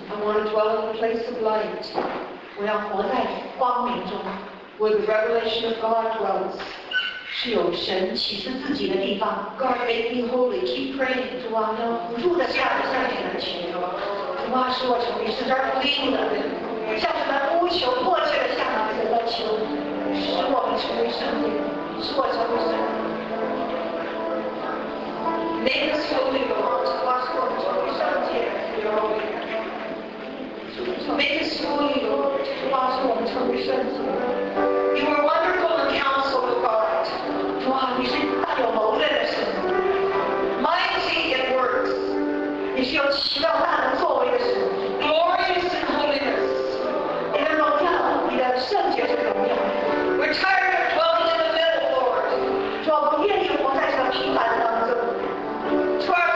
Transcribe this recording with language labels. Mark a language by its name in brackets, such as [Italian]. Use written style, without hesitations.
[English] I want to dwell in the place of light， [Chinese] 我要活在光明中。 [English] Where the revelation of God dwells。 [Chinese] 是有神启示自己的地方。 [English] God make me holy, keep praying. [Chinese] 主啊，我不住的向你来祈求。主啊，使我成为圣洁。 [English] Start pleading, [Chinese] 向神呼求，迫切的向神来求。是。使我们成为圣洁，使我成为圣洁。 [English] Make us holy, Lord, ask for to be sanctified, your holy name. Make us holy, Lord, ask for to be sanctified. You are wonderful in counsel, God. [Chinese] 主啊，你是大有谋略的神。 [English] Mighty in words, [Chinese] 你是有奇妙大能作为的神。 [English] Glorious in holiness, [Chinese] 你的荣耀，你的圣洁是荣耀。 [English] We're tired of dwelling in the middle, Lord. [Chinese] 主啊，不愿意活在这个平凡的当中。